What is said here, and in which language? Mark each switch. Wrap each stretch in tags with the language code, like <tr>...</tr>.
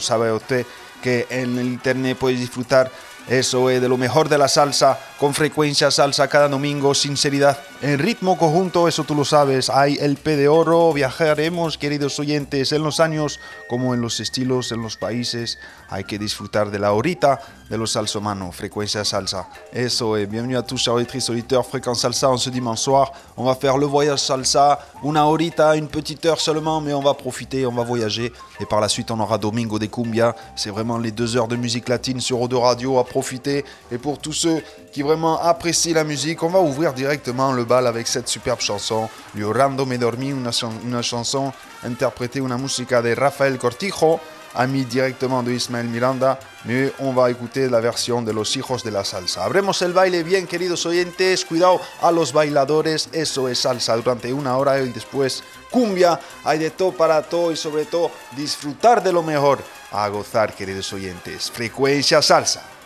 <es>Sabe usted que en el internet puedes disfrutar, eso es, de lo mejor de la salsa, con Frecuencia Salsa cada domingo, sinceridad, en ritmo conjunto, eso tú lo sabes. Hay el P de Oro, viajaremos, queridos oyentes, en los años, como en los estilos, en los países. Hay que disfrutar de la horita de los Salsomano, Frecuencia Salsa. Eso es, bienvenido</es> <fr>a tous, chers auditrices, auditeurs, Frecuencia Salsa, en ce dimanche soir. On va faire le voyage salsa,</fr> <es>una horita,</es> <fr>une petite heure seulement, mais on va profiter, on va voyager. Et par la suite, on aura Domingo de Cumbia. C'est vraiment les deux heures de musique latine sur Eau de Radio à profiter. Et pour tous ceux qui vraiment apprécient la musique, on va ouvrir directement le bal avec cette superbe chanson, Llorando me dormi, une chanson interprétée,</fr> <es>una música</es> <fr>de Rafael Cortijo, ami directement de Ismael Miranda, mais on va écouter la version de Los Hijos de la Salsa.</fr> <es>Abremos el baile bien, queridos oyentes, cuidado a los bailadores, eso es salsa durante una hora y después cumbia, hay de todo para todo y sobre todo disfrutar de lo mejor, a gozar, queridos oyentes, Frecuencia Salsa.</es>